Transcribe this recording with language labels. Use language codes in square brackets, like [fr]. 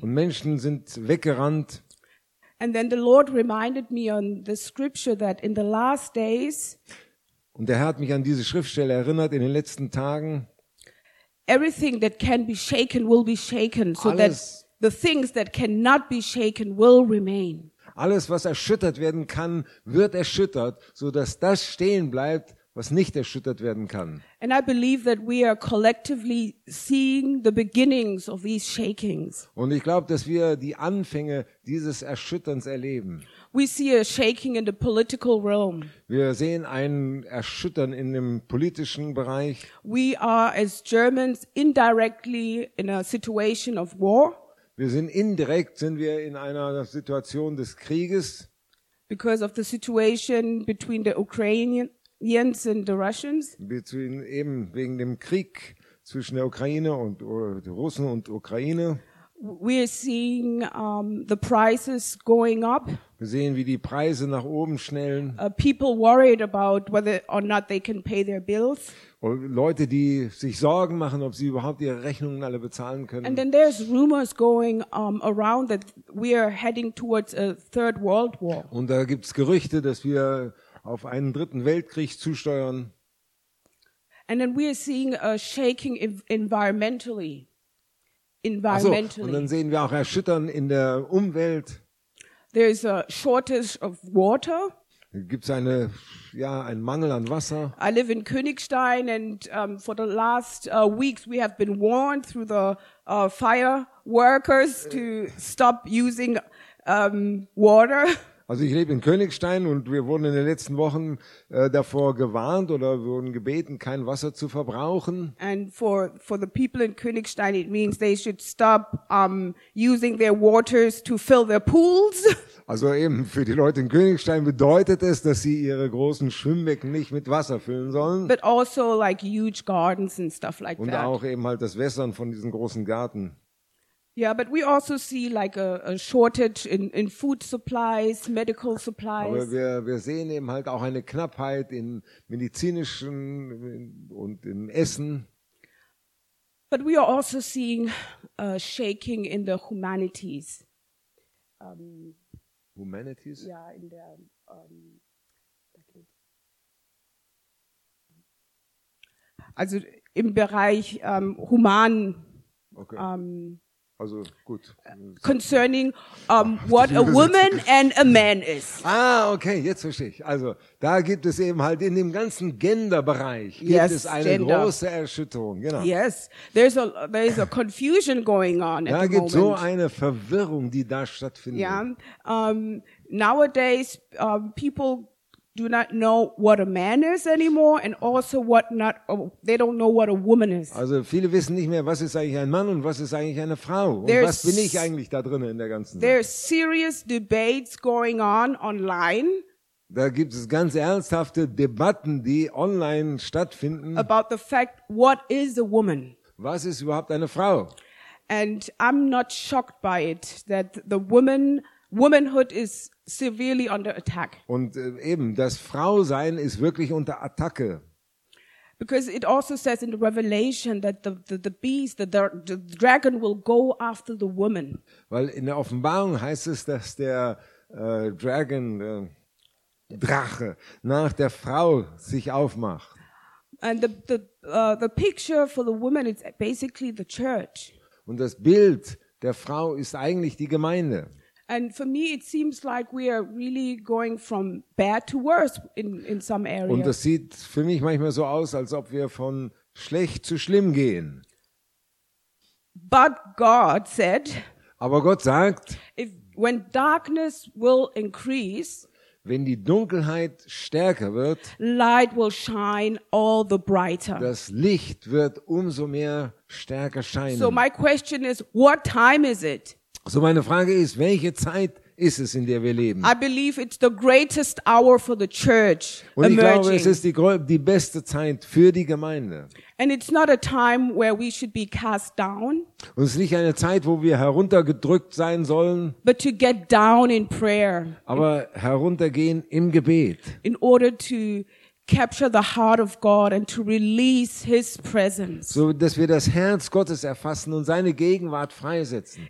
[de] Und Menschen sind weggerannt. [en] And then the Lord reminded me on the scripture that in the last days. [de] Und der Herr hat mich an diese Schriftstelle erinnert in den letzten Tagen. [en] Everything that can be shaken will be shaken, [de] so alles, [en] that the things that cannot be shaken will remain. [de] Alles, was erschüttert werden kann, wird erschüttert, so dass das stehen bleibt, was nicht erschüttert werden kann. [en] And I believe that we are collectively seeing the beginnings of these shakings. [de] Und ich glaube, dass wir die Anfänge dieses Erschütterns erleben. [en] We see a shaking in the political realm. [de] Wir sehen ein Erschüttern in dem politischen Bereich. [en] We are as Germans indirectly in a situation of war. [de] Wir sind indirekt sind wir in einer Situation des Krieges. [en] Because of the situation between the Ukrainian Jens and the Russians. Between [de] eben wegen dem Krieg zwischen der Ukraine und den Russen und Ukraine. [en] We are seeing the prices going up. [de] Wir sehen, wie die Preise nach oben schnellen. [en] People worried about whether or not they can pay their bills. [de] Leute, die sich Sorgen machen, ob sie überhaupt ihre Rechnungen alle bezahlen können. [en] And then there's rumors going around that we are heading towards a third world war. [de] Und da gibt's Gerüchte, dass wir auf einen dritten Weltkrieg zusteuern. [en] And then we are seeing a shaking environmentally. Environmentally. [de] Und dann sehen wir auch Erschüttern in der Umwelt. [en] There is a shortage of water. [de] Gibt's eine einen Mangel an Wasser. [en] I live in Königstein and for the last weeks we have been warned through the fire workers to stop using water. [de] Also ich lebe in Königstein und wir wurden in den letzten Wochen davor gewarnt oder wurden gebeten, kein Wasser zu verbrauchen. [en] And for the people in Königstein, it means they should stop using their waters to fill their pools. [de] Also eben für die Leute in Königstein bedeutet es, dass sie ihre großen Schwimmbecken nicht mit Wasser füllen sollen. [en] But also like huge gardens and stuff like [de] und [en] that. [de] Und auch eben halt das Wässern von diesen großen Gärten. [en] Yeah, but we also see like a shortage in food supplies, medical supplies. [de] Aber wir sehen eben halt auch eine Knappheit in medizinischen und im Essen. [en] But we are also seeing a shaking in the humanities. Humanities? [de] Ja, yeah, in der also im Bereich human. Okay. Also gut. [en] Concerning what a woman and a man is. [de] Ah, okay, jetzt verstehe ich. Also da gibt es eben halt in dem ganzen Gender-Bereich gibt es eine [en] Gender. [de] Große Erschütterung. Genau. [en] Yes, there's a confusion going on. [de] Da gibt so eine Verwirrung, die da stattfindet. [en] Yeah, nowadays people do not know what a man is anymore and also what not they don't know what a woman is. [de] Also viele wissen nicht mehr, was ist eigentlich ein Mann und was ist eigentlich eine Frau und [en] there's, [de] was bin ich eigentlich da drin in der ganzen Sache. [en] There's serious debates going on online. [de] Da gibt es ganz ernsthafte Debatten, die online stattfinden. [en] About the fact what is a woman? [de] Was ist überhaupt eine Frau? [en] And I'm not shocked by it that the womanhood is severely under attack. [de] Und eben das Frausein ist wirklich unter Attacke. [en] Because it also says in the Revelation that the beast the dragon will go after the woman. [de] Weil in der Offenbarung heißt es, dass der Dragon Drache nach der Frau sich aufmacht. [en] And the picture for the woman is basically the church. [de] Und das Bild der Frau ist eigentlich die Gemeinde. [en] And for me it seems like we are really going from bad to worse in some areas. [de] Und das sieht für mich manchmal so aus, als ob wir von schlecht zu schlimm gehen. [en] But God said, [de] aber Gott sagt, [en] when darkness will increase, [de] wenn die Dunkelheit stärker wird, [en] light will shine all the brighter. [de] Das Licht wird umso mehr stärker scheinen. [en] So my question is, what time is it? [de] So meine Frage ist, welche Zeit ist es, in der wir leben. [en] I believe it's the greatest hour for the church emerging. [de] Und ich glaube, es ist die beste Zeit für die Gemeinde. [en] And it's not a time where we should be cast down. [de] Und es ist nicht eine Zeit, wo wir heruntergedrückt sein sollen. [en] But to get down in prayer. [de] Aber heruntergehen im Gebet. [en] In order to capture the heart of God and to release His presence. [de] So dass wir das Herz Gottes erfassen und seine Gegenwart freisetzen.